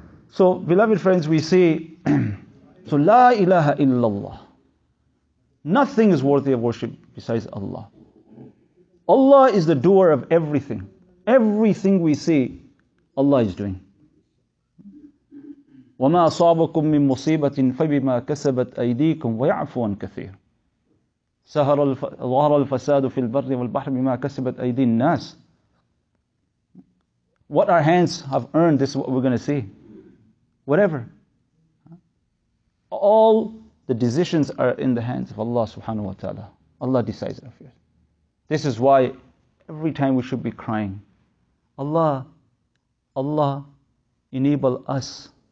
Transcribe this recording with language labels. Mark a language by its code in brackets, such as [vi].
[en] So, beloved friends, we see, so la ilaha illallah. Nothing is worthy of worship besides Allah. Allah is the doer of everything. Everything we see, Allah is doing. [ar] وما أصابكم من مصيبة فبما كسبت أيديكم ويعفو عن كثير. ظهر الفساد في البر والبحر بما كسبت أيدي الناس. [en] What our hands have earned, this is what we're going to see. Whatever. All the decisions are in the hands of Allah subhanahu wa ta'ala. Allah decides our affairs. This is why every time we should be crying, Allah, Allah, enable us.